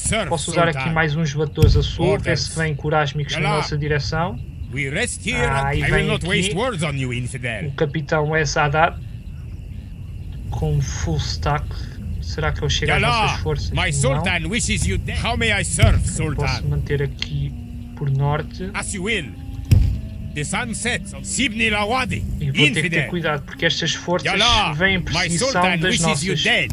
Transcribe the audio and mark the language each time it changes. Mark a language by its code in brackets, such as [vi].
[pt] Posso usar aqui mais uns batedores a sul, ver se vêm corásmicos na nossa direção. [en] We rest here. I will not waste words on you, infidel. [pt] O capitão é Sadat com [en] full stack. [pt] Será que ele chega às nossas forças? [en] My Sultan [pt] não. [en] Wishes you dead. How may I serve, Sultan? [pt] Posso manter aqui por norte. [en] As you will. The sun sets on Sibni Lawadi. Infidel. [pt] Vou ter que ter cuidado porque estas forças vêm em precisão das nossas.